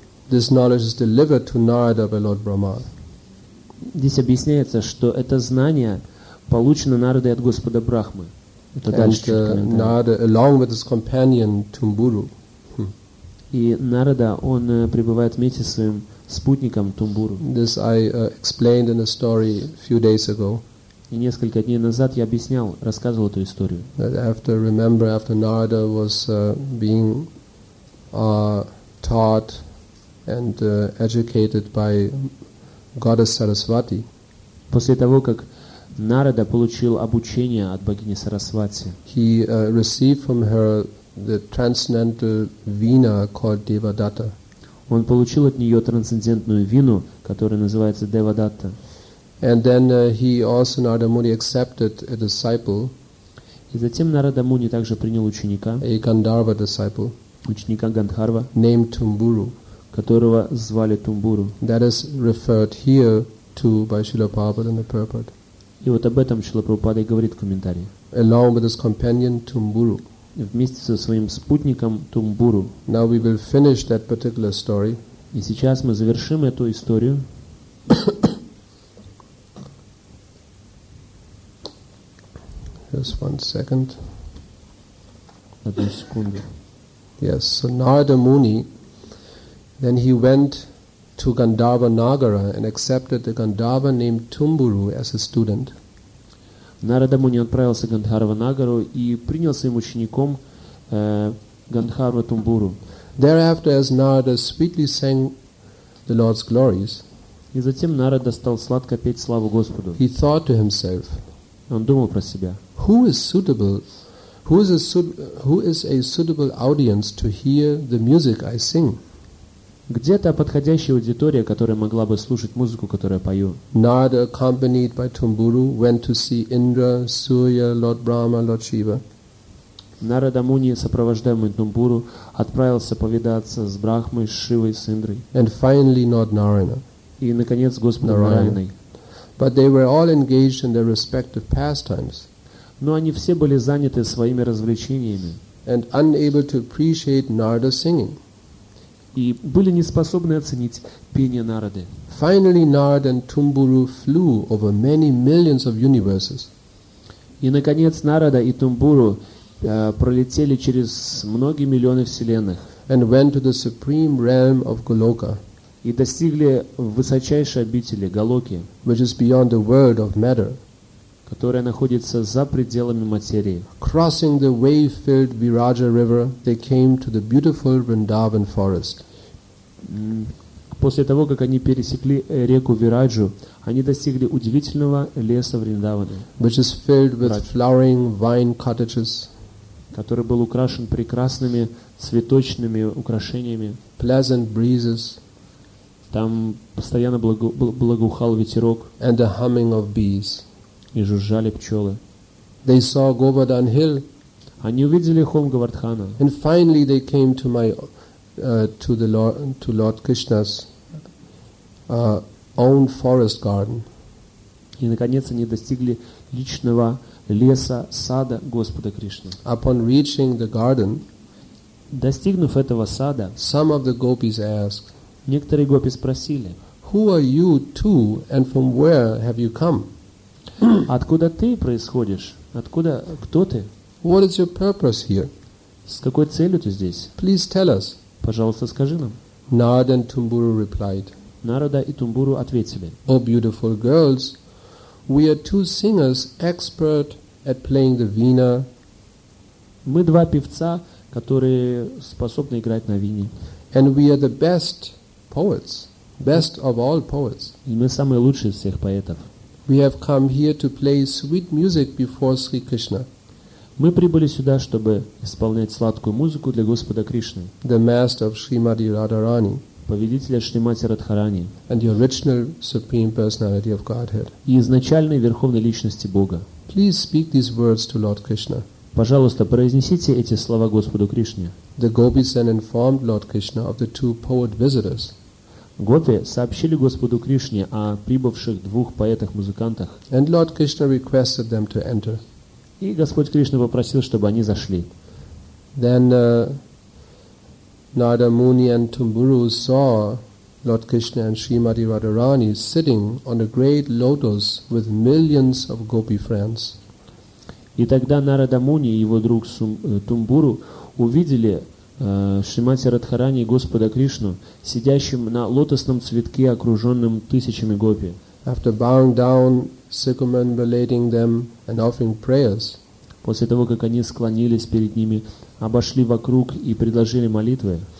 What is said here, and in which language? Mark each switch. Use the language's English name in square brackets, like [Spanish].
[English] This knowledge is delivered to Narada by Lord Brahma. [Russian] Здесь объясняется, что это знание получено Нарадой от Господа Брахмы. [English] Narada, along with his companion Tumburu. [Russian] И Нарада, он пребывает вместе со своим спутником Тумбуру. [English] This I explained in a story a few days ago. [Russian] И несколько дней назад я объяснял, рассказывал эту историю. [English] That after remember after Narada was being taught and educated by goddess Sarasvati. [Russian] После того, как Нарада получил обучение от богини Сарасвати, [English] he received from her the transcendental vina called Devadatta. [Russian] Он получил от нее трансцендентную вину, которая называется Девадатта. [English] And then he also Narada Muni accepted a disciple. [Russian] И затем Нарада Муни также принял ученика. [English] A Gandharva disciple. [Russian] Ученика Гандхарва. [English] Named Tumburu. [Russian] Которого звали Тумбуру. [English] That is referred here to by Srila Prabhupada in the purport. [Russian] И вот об этом Шрила Прабхупада и говорит в комментарии. [English] Along with his companion Tumburu. [Russian] Вместе со своим спутником Тумбуру. [English] Now we will finish that particular story. [Russian] И сейчас мы завершим эту историю. [English] Just one second. [Russian] Одну секунду. [English] Yes, so Narada Muni. Then he went to Gandharva Nagara and accepted the Gandharva named Tumburu as a student. [Russian] Narada Muni отправился в Гандхарва Нагару и принял своим учеником Гандхарва Тумбуру. [English] Thereafter, as Narada sweetly sang the Lord's glories, [Russian] и затем Нарада стал сладко петь славу Господу. [English] He thought to himself, [Russian] он думал про себя, [English] who is a suitable audience to hear the music I sing? [Russian] Где та подходящая аудитория, которая могла бы слушать музыку, которую я пою? [English] Narada, accompanied by Tumburu, went to see Indra, Surya, Lord Brahma, Lord Shiva. [Russian] Narada Muni, сопровождаемый Тумбуру, отправился повидаться с Брахмой, Шивой, с Индрой. [English] And finally, Lord Narayana. [Russian] И, наконец, Господом Нараяной. [English] But they were all engaged in their respective pastimes. [Russian] Но они все были заняты своими развлечениями. [English] And unable to appreciate Narada's singing. [Russian] И были не способны оценить пение Нарады. [English] Finally, Narada and Tumburu flew over many millions of universes. [Russian] И наконец Нарада и Тумбуру пролетели через многие миллионы вселенных. [English] And went to the supreme realm of Goloka. [Russian] И достигли высочайшей обители Голоки, [English] which is beyond the world of matter, [Russian] которая находится за пределами материи. [English] Crossing the wave-filled Viraja River, they came to the beautiful Vrindavan forest. [Russian] После того, как они пересекли реку Вираджу, они достигли удивительного леса Вриндавана, [English] which is filled with flowering vine cottages, [Russian] который был украшен прекрасными цветочными украшениями. [English] Pleasant breezes. [Russian] Там постоянно благоухал ветерок. [English] And the humming of bees. [Russian] И жужжали пчелы. [English] They saw Govardhan Hill. [Russian] Они увидели холм Говардхана. [English] And finally they came to my to Lord Krishna's own forest garden. [Russian] И наконец они достигли личного леса, сада Господа Кришны. [English] Upon reaching the garden, [Russian] достигнув этого сада, [English] some of the gopis asked, [Russian] некоторые гопи спросили, [English] who are you too and from where have you come? [Russian] Откуда ты происходишь? Откуда, кто ты? [English] What is your purpose here? [Russian] С какой целью ты здесь? [English] Please tell us. [Russian] Пожалуйста, скажи нам. [English] Narada and Tumburu replied. [Russian] Narada и Тумбуру ответили. [English] Oh, beautiful girls, we are two singers, expert at playing the veena. [Russian] Мы два певца, которые способны играть на вине. [English] And we are the best poets, best of all poets. [Russian] И мы самые лучшие из всех поэтов. [English] We have come here to play sweet music before Sri Krishna. [Russian] Мы прибыли сюда, чтобы исполнять сладкую музыку для Господа Кришны. [English] The master of Srimati Radharani. [Russian] Победителя Шримати Радхарани. [English] And the original supreme personality of Godhead. [Russian] И изначальной верховной личности Бога. [English] Please speak these words to Lord Krishna. [Russian] Пожалуйста, произнесите эти слова Господу Кришне. [English] The gopis then informed Lord Krishna of the two poet visitors. [Russian] Гопи сообщили Господу Кришне о прибывших двух поэтах-музыкантах. [English] And Lord Krishna requested them to enter. [Russian] И Господь Кришна попросил, чтобы они зашли. [English] Then Narada Muni and Tumburu saw Lord Krishna and Srimati Radharani sitting on a great lotus with millions of gopi friends. [Russian] И тогда Нарада Муни и его друг Тумбуру увидели Шримати Радхарани и Господа Кришну, сидящим на лотосном цветке, окруженным тысячами гопи. [English] After bowing down, circumambulating them and offering prayers. [Russian] После того, как они склонились перед ними, обошли вокруг и предложили молитвы.